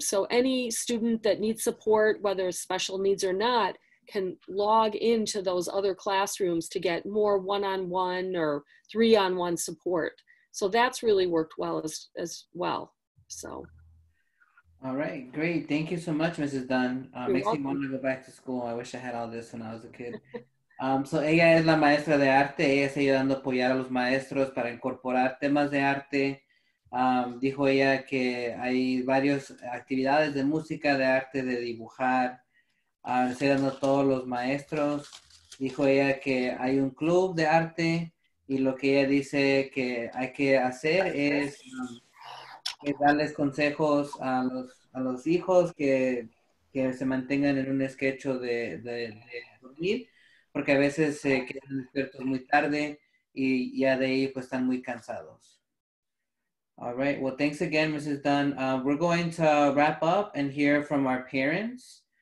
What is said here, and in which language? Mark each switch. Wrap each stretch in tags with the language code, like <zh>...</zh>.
<en>So any student that needs support, whether special needs or not, can log into those other classrooms to get more one-on-one or three-on-one support. So that's really worked well as well. So, all right, great. Thank you so much, Mrs. Dunn. Makes me want to go back to school. I wish I had all this when I was a kid.</en> <es>So ella es la maestra de arte. Ella está ayudando a apoyar a los maestros para incorporar temas de arte. Dijo ella que hay varias actividades de música, de arte, de dibujar. Enseñando a todos los maestros, dijo ella que hay un club de arte y lo que ella dice que hay que hacer es darles consejos a los hijos que se mantengan en un sketch de dormir, porque a veces se quedan despiertos muy tarde y ya de ahí pues están muy cansados.</es> <en>All right, well, thanks again, Mrs. Dunn. We're going to wrap up and hear from our parents.</en>